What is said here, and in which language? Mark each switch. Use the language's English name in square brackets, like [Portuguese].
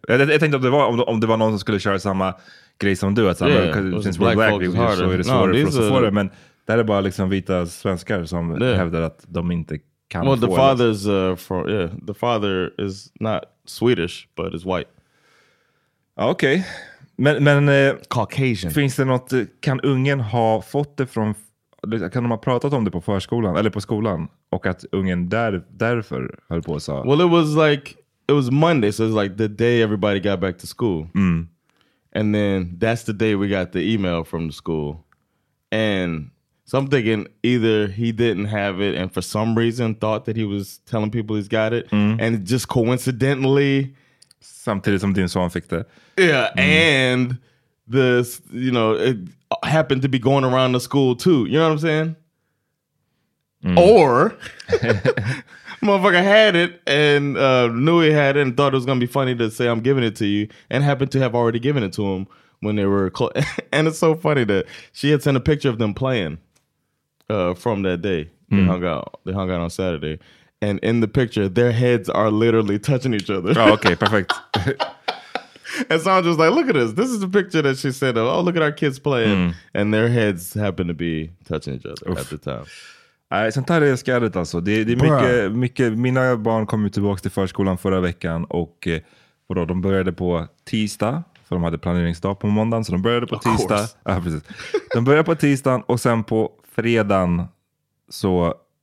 [Swedish] Jag tänkte om det var någon som skulle köra samma grej som du, att säga, [English] since we're black, we're harder. [Swedish] Så är det svårare för oss att få det. Men det är bara liksom vita svenskar som hävdar att de inte kan få det. [English] Well, the father's the father is not Swedish, but is white. [Swedish] Okej, [English] okay. [Swedish] men [English] Caucasian. [Swedish] Finns det något, kan ungen ha fått det från, kan de ha pratat om det på förskolan eller på skolan, och att ungen därför höll på och sa? [English] Well, it was Monday, so it was like the day everybody got back to school. And then that's the day we got the email from the school. And so I'm thinking either he didn't have it and for some reason thought that he was telling people he's got it, and just coincidentally, [Swedish] samtidigt som din son fick det. [English] Yeah, and this, you know, it happened to be going around the school too. You know what I'm saying? Or motherfucker had it and knew he had it and thought it was going to be funny to say I'm giving it to you, and happened to have already given it to him when they were and it's so funny that she had sent a picture of them playing from that day. They hung out on Saturday. And in the picture, their heads are literally touching each other. Oh, okay, perfect. And so I'm just like, look at this. This is the picture that she said. Oh, look at our kids playing. And their heads happen to be touching each other at the time. [Swedish] Nej, sånt här är skärligt alltså. Det är mycket. Mina barn kom ju tillbaka till förskolan förra veckan. Och vadå, de började på tisdag. För de hade planeringsdag på måndagen. Så de började på tisdag. Ja, precis. De började på tisdagen. Och sen på fredagen så...